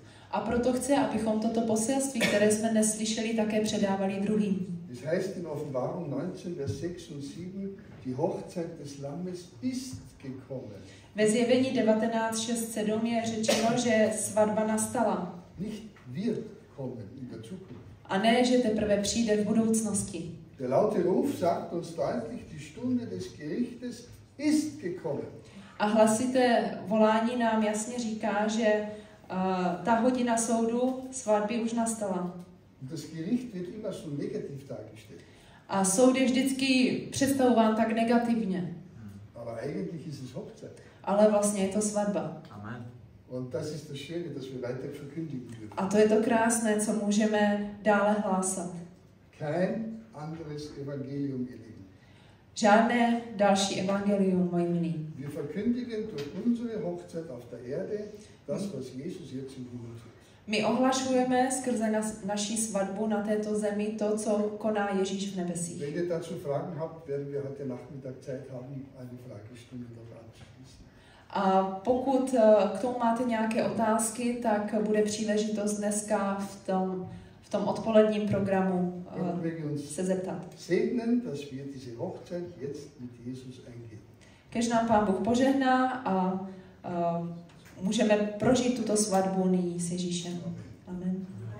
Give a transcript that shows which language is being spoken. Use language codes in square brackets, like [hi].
[cs] A proto chce, abychom toto poselství, které jsme neslyšeli, také předávali druhým. [de] Es heißt in Offenbarung 19, Vers 6 und 7, die Hochzeit des Lammes ist gekommen. [cs] Ve zjevení 19, 6, 7 je řečeno, že svatba nastala. [de] Nicht wird kommen in der Zukunft. [cs] A ne, že teprve přijde v budoucnosti. [de] Der laute Ruf sagt uns deutlich, die Stunde des Gerichtes ist gekommen. [cs] A hlasité volání nám jasně říká, že ta hodina soudu svatby už nastala. [de] Und das Gericht wird immer so negativ dargestellt. [cs] A soud je vždycky představován tak negativně. [de] Aber eigentlich ist es Hochzeit. [cs] ale vlastně je to svatba. [de] Amen. Und das ist das Schöne, dass wir weiter verkündigen dürfen. [cs] A to je to krásné, co můžeme dále hlásat. [de] Kein anderes Evangelium, ihr Lieben. [cs] Žádné další evangelium, moji milí. [de] Wir verkündigen durch unsere Hochzeit auf der Erde das, was Jesus jetzt im Himmel tut. [cs] My ohlašujeme skrze naši svatbu na této zemi to, co koná Ježíš v nebesích. [de] Wenn ihr dazu Fragen habt, werden wir heute Nachmittag Zeit haben, eine Fragestunde darauf anzuschließen. [cs] A pokud k tomu máte nějaké otázky, tak bude příležitost dneska v tom odpoledním programu se zeptat. [de] Segnen, dass wir diese Hochzeit jetzt mit Jesus eingehen. [cs] Kež nám Pán Bůh požehná a můžeme prožít tuto svatbu nyní s Ježíšem. Amen. Amen.